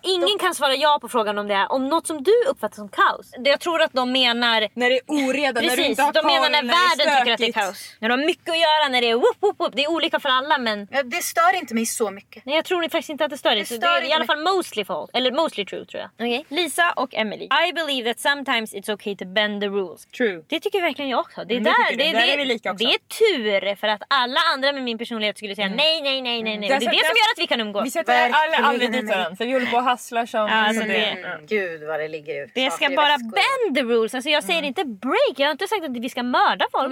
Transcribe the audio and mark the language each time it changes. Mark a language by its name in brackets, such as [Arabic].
[Swedish] Ingen kan svara ja på frågan om det är, om något som du uppfattar som kaos. Jag tror att de menar... när det är oreda, precis, när du inte har koll, när det är stökigt. Tycker att det är kaos. När de har mycket att göra, när det är woop, woop, woop. Det är olika för alla, men... ja, det stör inte mig så mycket. Nej, jag tror faktiskt inte att det stör dig. Det är i alla fall [English] mostly false. [Swedish] Eller [English] mostly true, [Swedish] tror jag. [English] Okay. [Swedish] Lisa och Emily. [English] I believe that sometimes it's okay to bend the rules. True. [Swedish] Det tycker verkligen jag också. Det är där, där är vi lika också. Det är tur, för att alla andra med min personlighet skulle säga nej, nej, nej, nej, nej. Det är det som gör att vi kan umgås. Vi sätter alla aldrig dit än, för vi håller på att hassla som... ja, alltså det. Gud vad det ligger ut. Det ska bara [English] bend the rules. [Swedish] Alltså jag säger inte break. Jag har inte sagt att vi ska mörda folk.